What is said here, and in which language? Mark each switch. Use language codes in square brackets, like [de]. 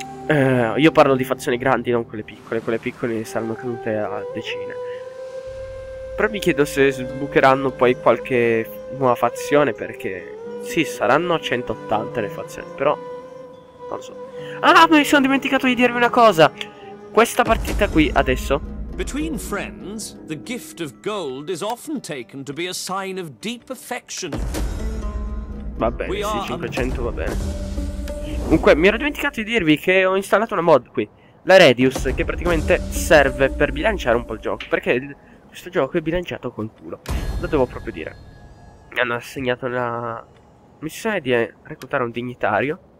[it] Io parlo di fazioni grandi, non quelle piccole. Quelle piccole saranno cadute a decine. Però mi chiedo se sbucheranno poi qualche nuova fazione. Perché sì, saranno 180 le fazioni. Però non so. Ah, ma mi sono dimenticato di dirvi una cosa. Questa partita qui adesso. [en] Between friends, the gift of gold is often taken to be a sign of deep affection. [it] Va bene, sì, 500 va bene. Comunque, mi ero dimenticato di dirvi che ho installato una mod qui, la Radius, che praticamente serve per bilanciare un po' il gioco, perché questo gioco è bilanciato col culo. Lo devo proprio dire. Mi hanno assegnato la missione di reclutare un dignitario.